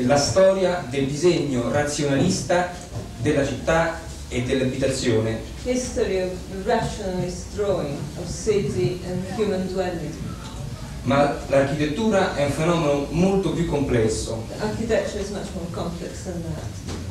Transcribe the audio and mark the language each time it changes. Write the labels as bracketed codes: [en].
[it] La storia del disegno razionalista della città e dell'abitazione. [en] History of the rationalist drawing of city and human dwelling. [it] Ma l'architettura è un fenomeno molto più complesso. [en] The architecture is much more complex than that.